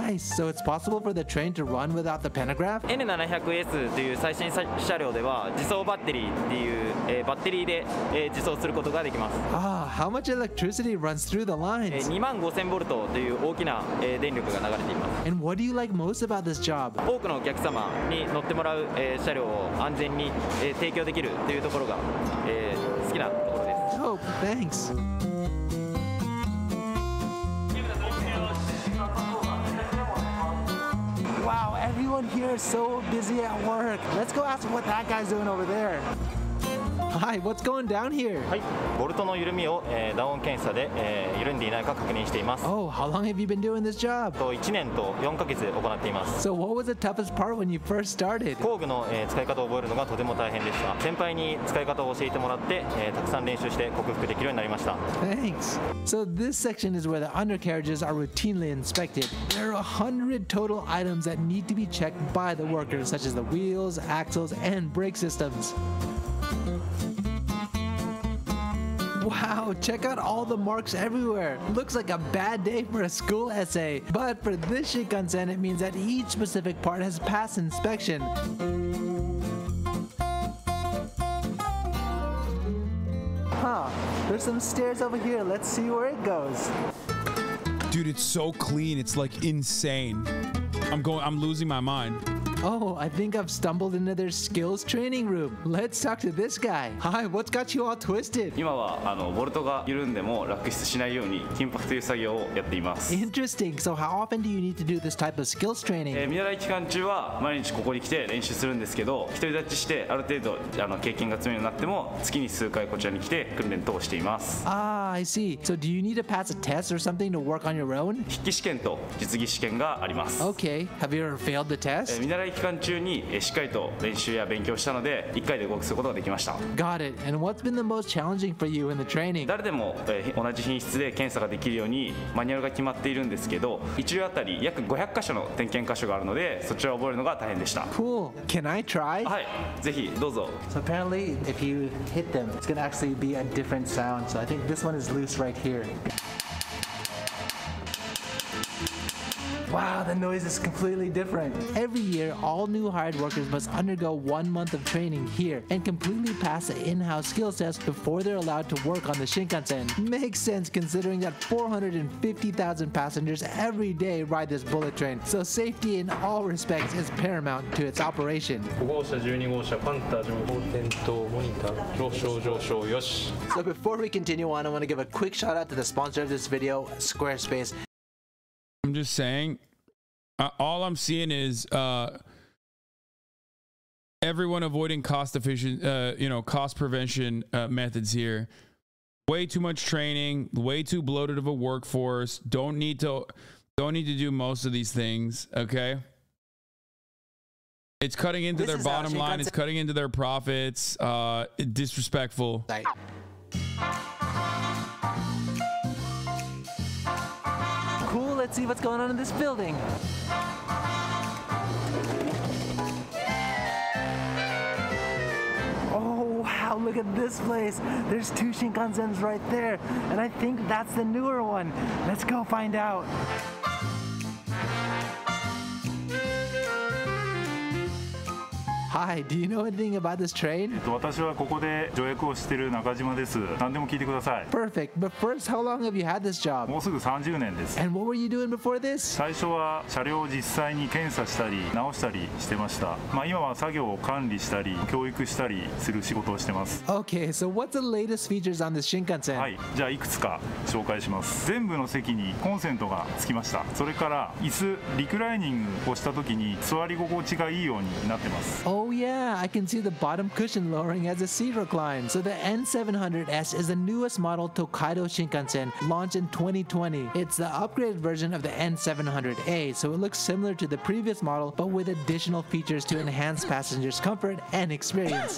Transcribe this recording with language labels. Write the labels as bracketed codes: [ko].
[en] Nice, so it's possible for the train to run without the pantograph? N700S, the latest car, can be charged with a battery. How much electricity runs through the lines? [ja] 25,000 volts という大きな電力が流れています。 [en] And what do you like most about this job? [ja] 多くのお客様に乗ってもらう車両を安全に提供できるというところが好きなところです。 [en] Oh, thanks. Wow, everyone here is so busy at work. Let's go ask what that guy's doing over there. Hi, what's going down here? [ja] はい、ボルトの緩みを、ダウン検査で、緩んでいないか確認しています。 [en] Oh, how long have you been doing this job? [ja] 1年と4ヶ月行っています。 [en] So what was the toughest part when you first started? [ja] 工具の、使い方を覚えるのがとても大変でした。先輩に使い方を教えてもらって、たくさん練習して克服できるようになりました。 [en] Thanks. So this section is where the undercarriages are routinely inspected. There are 100 total items that need to be checked by the workers, such as the wheels, axles, and brake systems. Wow, check out all the marks everywhere. Looks like a bad day for a school essay. But for this Shinkansen, it means that each specific part has passed inspection. There's some stairs over here. Let's see where it goes. Dude, it's so clean. It's like insane. I'm losing my mind. Oh, I think I've stumbled into their skills training room. Let's talk to this guy. Hi, what's got you all twisted? [ja] 今はボルトが緩んでも落出しないように緊迫という作業をやっています。 [en] Interesting. So how often do you need to do this type of skills training? [ja] 見習い期間中は毎日ここに来て練習するんですけど、一人立ちしてある程度経験が積めるようになっても、月に数回こちらに来て訓練等をしています。 [en] Ah, I see. So do you need to pass a test or something to work on your own? [ja] 筆記試験と実技試験があります。 [en] Okay. Have you ever failed the test? [ja] 期間中にしっかりと練習や勉強したので1回で合格することができました。 [en] Got it. And what's been the most challenging for you in the training? [ja] 誰でも同じ品質で検査ができるようにマニュアルが決まっているんですけど、1両あたり約500箇所の点検箇所があるので、そちらを覚えるのが大変でした。 [en] Cool. Can I try? [ja] はい、ぜひどうぞ。 [en] So apparently if you hit them, it's going to actually be a different sound. So I think this one is loose right here. Wow, the noise is completely different. Every year, all new hired workers must undergo 1 month of training here and completely pass the in-house skills test before they're allowed to work on the Shinkansen. Makes sense considering that 450,000 passengers every day ride this bullet train. So safety in all respects is paramount to its operation. [ja] 5号車、12号車、パンタ、情報点灯、モニター、上昇、上昇、よし。 [en] So before we continue on, I want to give a quick shout out to the sponsor of this video, Squarespace. I'm just saying, all I'm seeing is everyone avoiding cost efficient, cost prevention methods here. Way too much training, way too bloated of a workforce. Don't need to do most of these things. Okay. It's cutting into their bottom line. It's cutting into their profits. Disrespectful. Let's see what's going on in this building. Oh, wow, look at this place. There's two Shinkansens right there. And I think that's the newer one. Let's go find out. Hi, do you know anything about this train? [ja] 私はここで助役をしている中島です。何でも聞いてください。 [en] Perfect. But first, how long have you had this job? [ja] もうすぐ30年です。 [en] And what were you doing before this? [ja] 最初は車両を実際に検査したり直したりしてました。まあ今は作業を管理したり教育したりする仕事をしてます。 [en] Okay, so what's the latest features on this Shinkansen? [ja] はい、じゃあいくつか紹介します。全部の席にコンセントがつきました。それから椅子、リクライニングをした時に座り心地がいいようになってます。 [en] Oh yeah, I can see the bottom cushion lowering as the seat reclines. So the N700S is the newest model Tokaido Shinkansen, launched in 2020. It's the upgraded version of the N700A, so it looks similar to the previous model, but with additional features to enhance passengers' comfort and experience.